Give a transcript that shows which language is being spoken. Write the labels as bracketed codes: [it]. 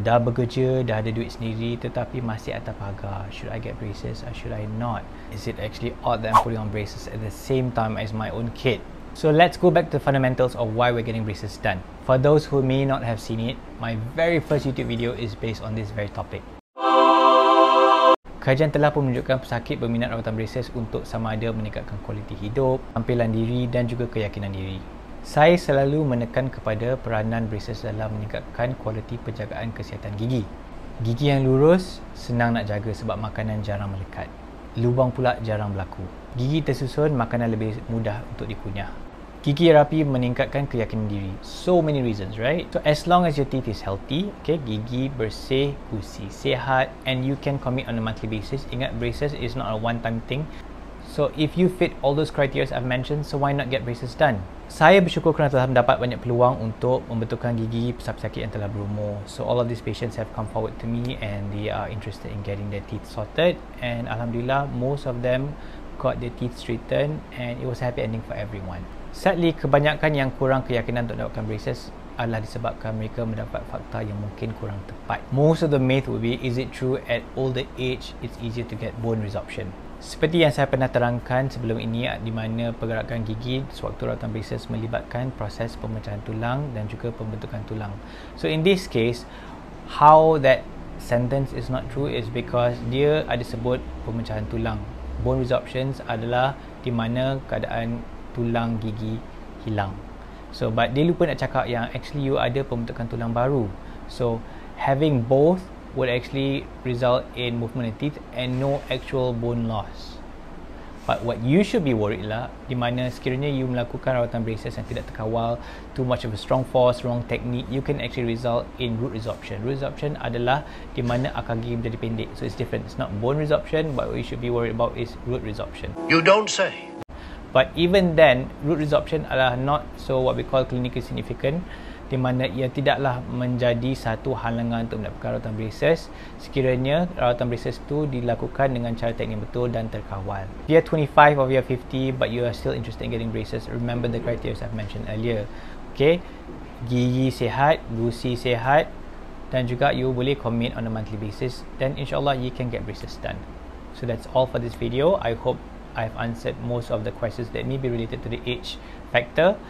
[ms] Dah bekerja, dah ada duit sendiri tetapi masih atas pagar. [en] Should I get braces or should I not? Is it actually odd that I'm putting on braces at the same time as my own kid? So let's go back to the fundamentals of why we're getting braces done. For those who may not have seen it, my very first YouTube video is based on this very topic. [ms] Kajian telah pun menunjukkan pesakit berminat rawatan braces untuk sama ada meningkatkan kualiti hidup, tampilan diri dan juga keyakinan diri. Saya selalu menekan kepada peranan braces dalam meningkatkan kualiti penjagaan kesihatan gigi. Gigi yang lurus, senang nak jaga sebab makanan jarang melekat. Lubang pula jarang berlaku. Gigi tersusun, makanan lebih mudah untuk dikunyah. Gigi rapi meningkatkan keyakinan diri. [en] So many reasons, right? So as long as your teeth is healthy, okay, [ms] gigi bersih, gusi sehat [en] and you can commit on a monthly basis. [ms] Ingat, [en] braces is not a one-time thing. So if you fit all those criteria I've mentioned, so why not get braces done? [ms] Saya bersyukur kerana telah mendapat banyak peluang untuk membetulkan gigi pesakit yang telah berumur. [en] So all of these patients have come forward to me and they are interested in getting their teeth sorted and alhamdulillah, most of them got their teeth straightened and it was a happy ending for everyone. Sadly, [ms] kebanyakan yang kurang keyakinan untuk dapatkan braces adalah disebabkan mereka mendapat fakta yang mungkin kurang tepat. [en] Most of the myth would be, is it true at older age it's easier to get bone resorption? [ms] Seperti yang saya pernah terangkan sebelum ini, di mana pergerakan gigi sewaktu rawatan braces melibatkan proses pemecahan tulang dan juga pembentukan tulang. [en] So in this case, how that sentence is not true is because [ms] dia ada sebut pemecahan tulang. Bone resorptions adalah di mana keadaan tulang gigi hilang. [en] So but [ms] dia lupa nak cakap yang actually you ada pembentukan tulang baru. [en] So having both would actually result in movement of teeth and no actual bone loss. But what you should be worried lah, [ms] di mana sekiranya you melakukan rawatan braces yang tidak terkawal, [en] too much of a strong force, wrong technique, you can actually result in root resorption. [ms] Root resorption adalah di mana akar gigi menjadi pendek. [en] So it's different. It's not bone resorption, but what you should be worried about is root resorption. You don't say. But even then, [ms] root resorption adalah [en] not so what we call clinically significant, [ms] di mana ia tidaklah menjadi satu halangan untuk mendapatkan rawatan braces sekiranya rawatan braces itu dilakukan dengan cara teknik betul dan terkawal. [en] If you're 25 or you're 50 but you are still interested in getting braces, remember the criteria I've mentioned earlier. Okay, [ms] gigi sihat, gusi sihat dan juga [en] you boleh commit on a monthly basis, then insyaAllah you can get braces done. So that's all for this video. I hope I've answered most of the questions that may be related to the age factor.